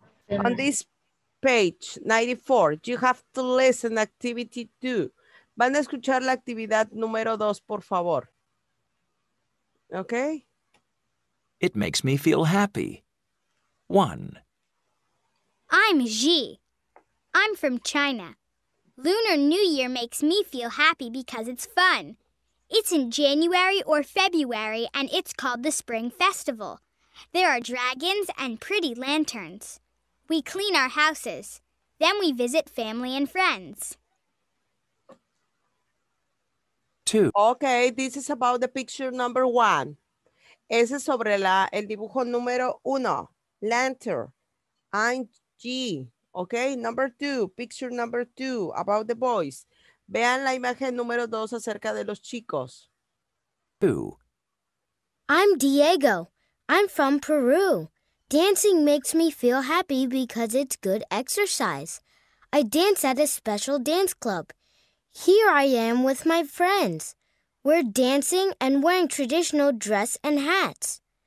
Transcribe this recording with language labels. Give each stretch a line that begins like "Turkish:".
English: On this page 94, you have to listen activity 2.
Spanish: Van a escuchar la actividad número 2, por favor.
English: Okay. It makes me feel happy. 1. I'm Xi. I'm from China. Lunar New Year makes me feel happy because it's fun. It's in January or February, and it's called the Spring Festival. There are dragons and pretty lanterns. We clean our houses. Then we visit family and friends. Okay, this is about the picture number one.
Spanish: Ese es sobre el dibujo número uno. Lantern.
English: I'm G. Okay, number two. Picture number two about the boys.
Spanish: Vean la imagen número dos acerca de los chicos.
English: Two. I'm Diego. I'm from Peru. Dancing makes me feel happy because it's good exercise. I dance at a special dance club. Here I am with my friends. We're dancing and wearing traditional dress and hats.